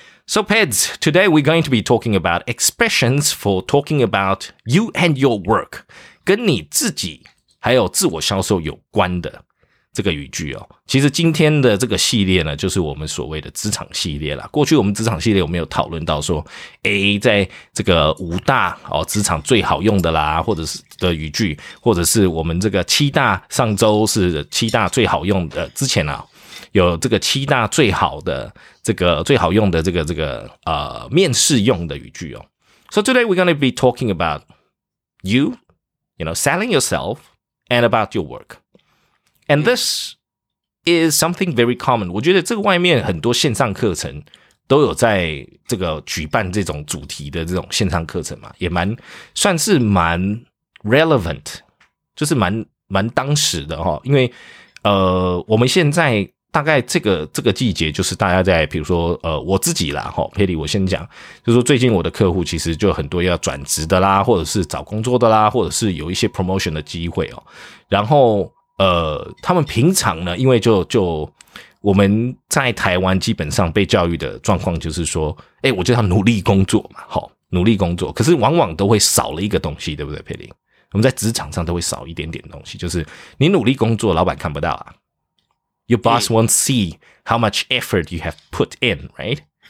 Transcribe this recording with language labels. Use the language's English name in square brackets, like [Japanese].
[English] So, Peds, today we're going to be talking about expressions for talking about you and your work. [Chinese] 跟你自己还有自我销售有关的这个语句哦。其实今天的这个系列呢，就是我们所谓的职场系列啦。过去我们职场系列有没有讨论到说，在这个五大哦职场最好用的啦，或者是的语句，或者是我们这个七大，上周是七大最好用的，之前啊有这个七大最好的这个最好用的这个面试用的语句哦。 [English] So today we're going to be talking about you selling yourself and about your work. And this is something very common. [Chinese] 我觉得这个外面很多线上课程都有在这个举办这种主题的这种线上课程嘛，也蛮算是蛮 relevant， 就是蛮当时的哦。因为我们现在大概这个季节，就是大家在比如说我自己啦齁，佩里我先讲，就是说最近我的客户其实就很多要转职的啦，或者是找工作的啦，或者是有一些 promotion 的机会哦。然后他们平常呢，因为就我们在台湾基本上被教育的状况就是说，我就要努力工作嘛齁，努力工作，可是往往都会少了一个东西，对不对佩里？我们在职场上都会少一点点东西，就是你努力工作老板看不到啊。 [English] Your boss won't see how much effort you have put in, right?